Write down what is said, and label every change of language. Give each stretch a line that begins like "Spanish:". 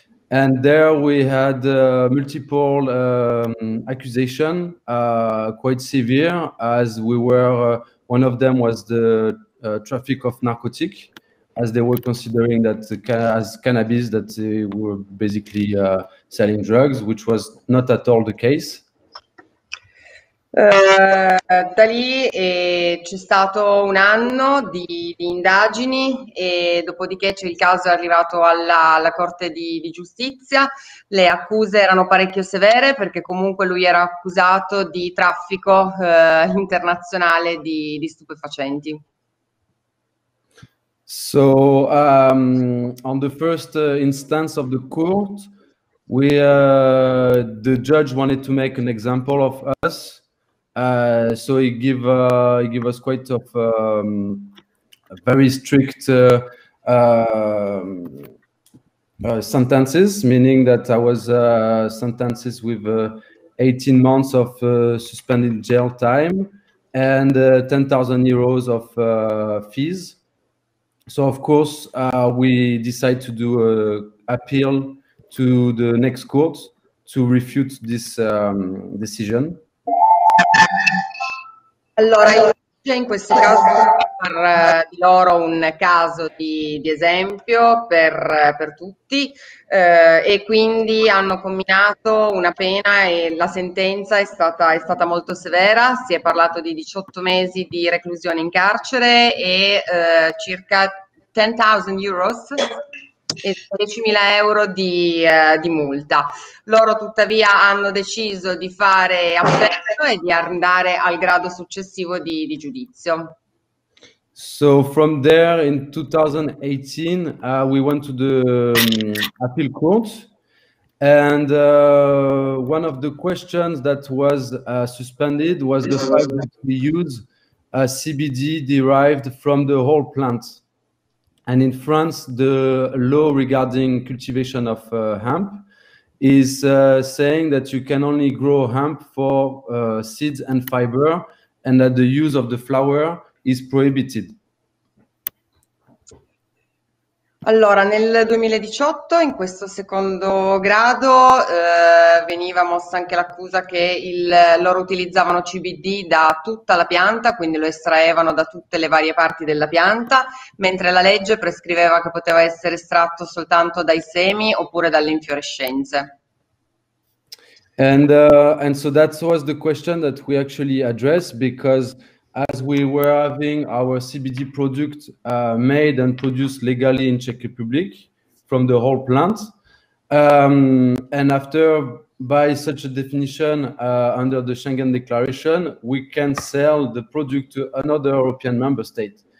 English: And there we had multiple accusations, quite severe, as we were, one of them was the traffic of narcotics, as they were considering that as cannabis, that they were basically selling drugs, which was not at all the case.
Italian: Da lì c'è stato un anno di indagini e dopodiché il caso è arrivato alla Corte di Giustizia. Le accuse erano parecchio severe perché comunque lui era accusato di traffico internazionale di stupefacenti.
English: So on the first instance of the court, we the judge wanted to make an example of us. So he give us quite of a very strict sentences, meaning that I was sentenced with 18 months of suspended jail time and 10,000 euros of fees. So of course we decide to do an appeal to the next court to refute this decision.
Italian: Allora, in questo caso per di loro un caso di esempio per tutti, e quindi hanno comminato una pena e la sentenza è stata molto severa. Si è parlato di 18 mesi di reclusione in carcere e circa 10.000 euros. E 10.000 euro di multa. Loro tuttavia hanno deciso di fare appello e di andare al grado successivo di giudizio.
English: So from there in 2018 we went to the appeal court and one of the questions that was suspended was the fact that we use CBD derived from the whole plant. And in France, the law regarding cultivation of hemp is saying that you can only grow hemp for seeds and fiber, and that the use of the flower is prohibited.
Italian: Allora, nel 2018, in questo secondo grado, veniva mossa anche l'accusa che loro utilizzavano CBD da tutta la pianta, quindi lo estraevano da tutte le varie parti della pianta, mentre la legge prescriveva che poteva essere estratto soltanto dai semi oppure dalle infiorescenze.
English: And so that was the question that we actually addressed, because as we were having our CBD product made and produced legally in Czech Republic from the whole plant. And after, by such a definition under the Schengen Declaration, we can sell the product to another European member state.